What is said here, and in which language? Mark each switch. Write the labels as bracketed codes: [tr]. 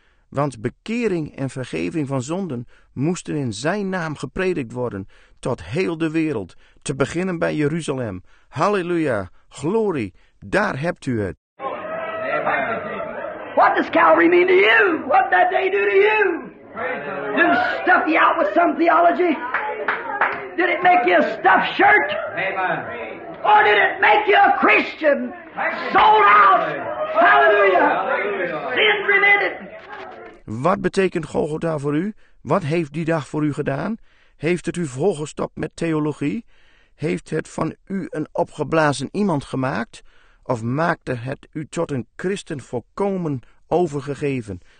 [nl] Want bekering en vergeving van zonden moesten in zijn naam gepredikt worden tot heel de wereld, te beginnen bij Jeruzalem. Halleluja, glorie, daar hebt u het. [en] What does Calvary mean to you? What did that day do to you? Did it stuff you out with some theology? Did it make you a stuffed shirt? Or did it make you a Christian? Sold out! Halleluja! Sin remitted! [nl] Wat betekent Golgotha voor u? Wat heeft die dag voor u gedaan? Heeft het u volgestopt met theologie? Heeft het van u een opgeblazen iemand gemaakt? Of maakte het u tot een christen volkomen overgegeven?